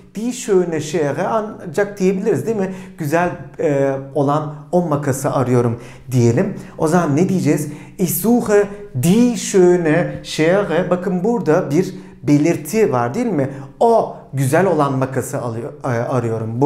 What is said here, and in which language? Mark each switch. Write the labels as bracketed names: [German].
[German] Die Schöne Schere [Turkish] ancak diyebiliriz değil mi? Güzel olan o makası arıyorum diyelim. O zaman ne diyeceğiz? [German] Ich suche die schöne Schere. [Turkish] Bakın burada bir belirti var değil mi? O güzel olan makası arıyorum.